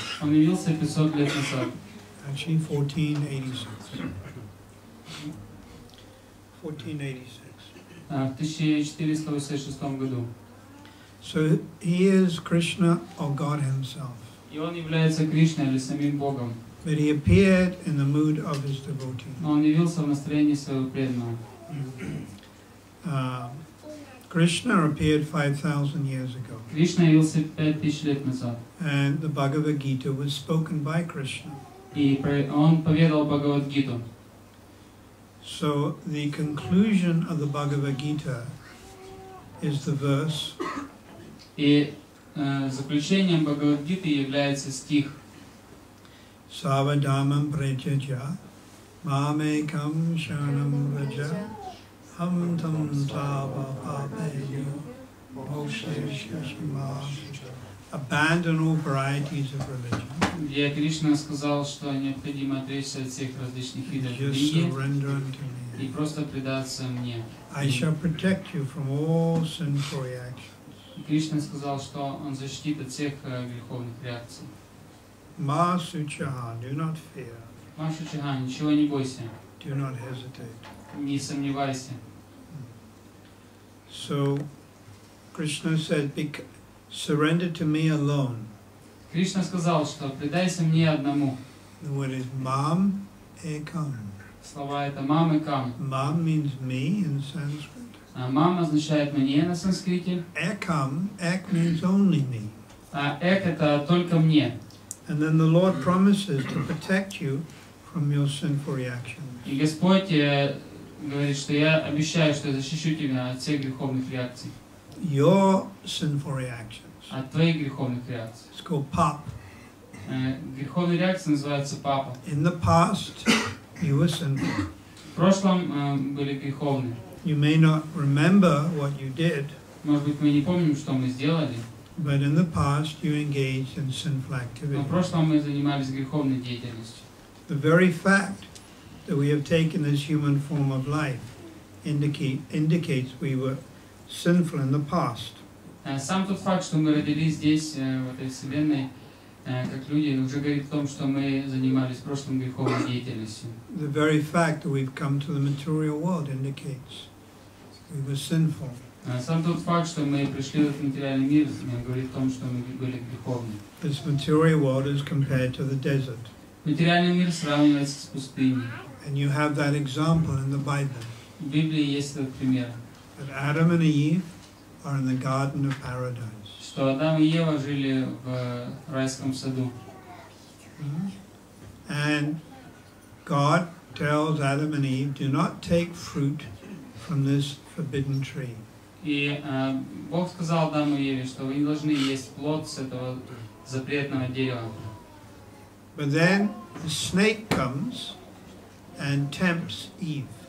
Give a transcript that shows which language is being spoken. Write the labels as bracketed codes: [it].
[ru] Он явился 500 лет назад. [en] Actually, 1486. [ru] В 1486 году. [en] So he is Krishna or God himself. [ru] И он является Кришной или самим Богом. [en] But he appeared in the mood of his devotee. [ru] Но он явился в настроении своего преданного. [en] Krishna appeared 5,000 years ago. [ru] Krishna явился 5,000 лет назад. [en] And the Bhagavad Gita was spoken by Krishna. [ru] И он поведал Бхагавад Гиту. [en] So the conclusion of the Bhagavad Gita is the verse. [ru] И заключением Бхагавад Гиты является стих. [sa] Сава дамам пречаджа, мамекам шанам раджа. [en] Abandon all varieties of religion. [ru] Где Кришна сказал, что необходимо отречься от всех различных видов религии и просто предаться мне. [en] I shall protect you from all sinful reactions. [ru] Кришна сказал, что он защитит от всех греховных реакций. [sa] Ma suchaha, [en] do not fear. [sa] Ma suchaha, [ru] ничего не бойся. [en] Do not hesitate. [ru] Не сомневайся. [en] So Krishna said, surrender to me alone. [ru] Krishna сказал, что предайся мне одному. [en] The word is mam ekam. [ru] Слова это mam ekam. [en] Mam means me in Sanskrit. [ru] А mam означает мне на санскрите. [en] Ekam, ek means only me. [ru] А ek это только мне. [en] And then the Lord promises to protect you from your sinful reactions. [ru] И Господь говорит, что я обещаю, что защищу тебя от всех греховных реакций. [en] Your sinful reactions. [ru] От твоих греховных реакций. [en] It's called pap. [ru] Греховные реакции называются папа. [en] In the past, you were sinful. [ru] В прошлом были греховные. [en] You may not remember what you did. [ru] Может быть, мы не помним, что мы сделали. [en] But in the past, you engaged in sinful activity. [ru] Но в прошлом мы занимались греховной деятельностью. [en] The very fact that we have taken this human form of life indicates we were sinful in the past. [ru] Сам тот факт, что мы родились здесь, в этой вселенной, как люди, уже говорит о том, что мы занимались в прошлом греховной деятельностью. [en] The very fact that we've come to the material world indicates we were sinful. [ru] Сам тот факт, что мы пришли в этот материальный мир, говорит о том, что мы были греховны. [en] This material world is compared to the desert. [ru] Материальный мир сравнивается с пустыней. [en] And you have that example in the Bible. [ru] В Библии есть этот пример. [en] That Adam and Eve are in the garden of paradise. [ru] Что Адам и Ева жили в райском саду. [en] And God tells Adam and Eve, do not take fruit from this forbidden tree. [ru] И Бог сказал Адаму и Еве, что вы не должны есть плод с этого запретного дерева. [en] But then the snake comes and tempts Eve.